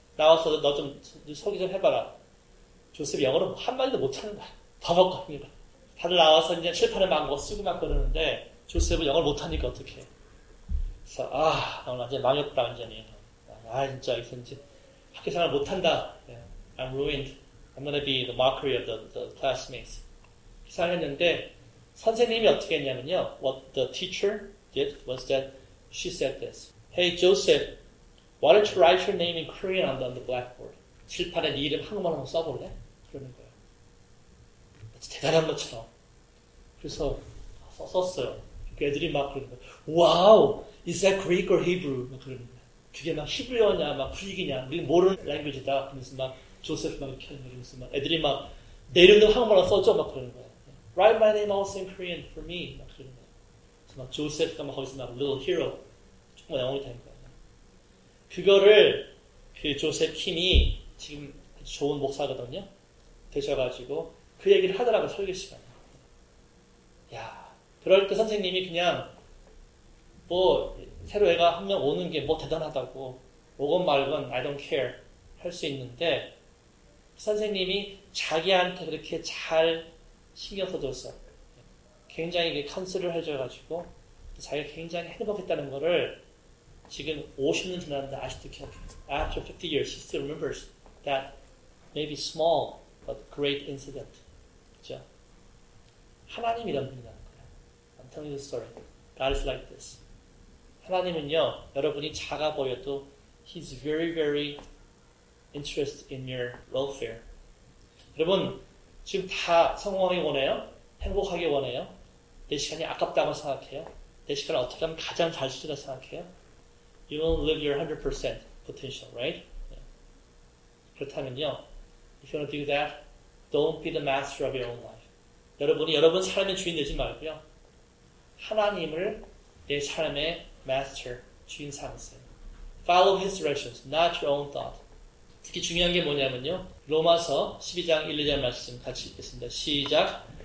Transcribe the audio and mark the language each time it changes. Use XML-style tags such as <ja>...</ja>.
<ko>나와서 너 좀 소개 좀 해봐라. 조셉이 영어로 한마디도 못하는 거야. 바보거든요. 다들 나와서 이제 칠판에 망고 쓰고 막 그러는데 조셉은 영어를 못하니까 어떡해. 그래서 아, 나 이제 망했다 완전히. 아, 진짜 이제 학교 생활 못한다.</ko> <en>I'm ruined. I'm gonna be the mockery of the classmates.</en> <ko>기사를 했는데 선생님이 어떻게 했냐면요.</ko> <en>What the teacher did was that she said this. Hey Joseph, why don't you write your name in Korean on the blackboard?</en> <ko>칠판에 네 이름 한국말로 한번 써볼래? 그러는 거예요. 마치 대단한 것처럼. 그래서 썼어요. 그 애들이 막 그러는 거예요.</ko> <en>Wow, is that Greek or Hebrew?</en> <ko>막 그러는 거예요. 그게 막 히브리어냐, 막 그리기냐, 우리는 모르는 랭귀지다. 그래서 막 조셉 막 이렇게 하는 거예요. 막 애들이 막 내려놓은 한국말로 써줘. 막 그러는 거예요.</ko> <en>Write my name also in Korean for me. 막 그러는 거예요.</en> <ko>그래서 막 조셉과 막 거기서 막</ko> <en>little hero.</en> <ko>정말 영웅이 된 거예요. 그거를 그 조셉 킴이 지금 좋은 목사거든요. 되셔가지고 그 얘기를 하더라고요. 설교 시간에. 야, 그럴 때 선생님이 그냥 뭐 새로 애가 한 명 오는 게 뭐 대단하다고 오건 말건</ko> <en>I don't care</en> <ko>할 수 있는데 선생님이 자기한테 그렇게 잘 신경 써줬어. 굉장히 컨설을 해줘가지고 자기가 굉장히 행복했다는 거를 지금 50년 지났는데 아직도 기억해.</ko> <en>After 50 years, he still remembers that maybe small but great incident.</en> <ko>그죠? 하나님이란 분이라는 거야.</ko> <en>I'm telling you the story. God is like this.</en> <ko>하나님은요, 여러분이 작아 보여도</ko> <en>he's very, very interested in your welfare.</en> <ko>여러분, 지금 다 성공하기 원해요? 행복하기 원해요? 내 시간이 아깝다고 생각해요? 내 시간을 어떻게 하면 가장 잘 쓰리라 생각해요?</ko> <en>You won't live your 100% potential, right? Yeah.</en> <ko>그렇다면요,</ko> <en>if you want to do that, don't be the master of your own life.</en> <ko>여러분이 여러분 삶의 주인 되지 말고요. 하나님을 내 삶의 master, 주인 삼으세요.</ko> <en>Follow his directions, not your own thought.</en> <ko>특히 중요한 게 뭐냐면요. 로마서 12장 1, 2절 말씀 같이 읽겠습니다. 시작!</ko>